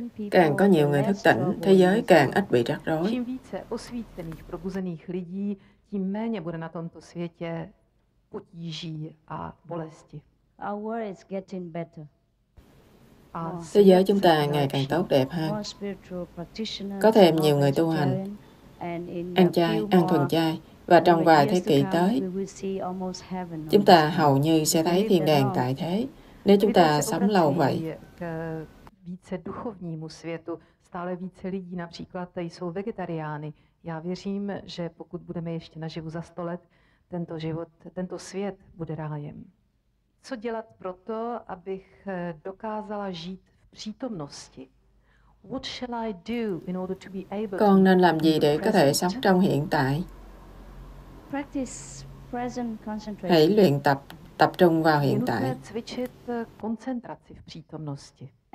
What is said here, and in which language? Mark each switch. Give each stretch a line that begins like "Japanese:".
Vietnamese: Càng có nhiều người thức tỉnh, thế giới càng ít bị rắc rối.
Czech: Čím více osvícených, probuzených lidí, tím méně bude na tomto světě potíží a bolesti.
English: Our world is getting better.
Vietnamese: Thế giới chúng ta ngày càng tốt đẹp hơn. Có thêm nhiều người tu hành, ăn chay, ăn thuần chay. Và trong vài thế kỷ tới, chúng ta hầu như sẽ thấy thiên đàng tại thế. Nếu chúng ta sống lâu vậy,
Czech: více duchovnímu světu. Stále více lidí například jsou vegetariány. Já věřím, že pokud budeme ještě naživu za 100 let, tento život, tento svět bude rájem. Co dělat pro to, abych dokázala žít v přítomnosti?
English: What shall I do in order to be able
Vietnamese: to nên làm gì để có thể sống trong hiện tại?
English: Practice present concentration.
Vietnamese: Hãy luyện tập tập trung vào hiện tại.
Czech: Cvičit koncentraci v přítomnosti.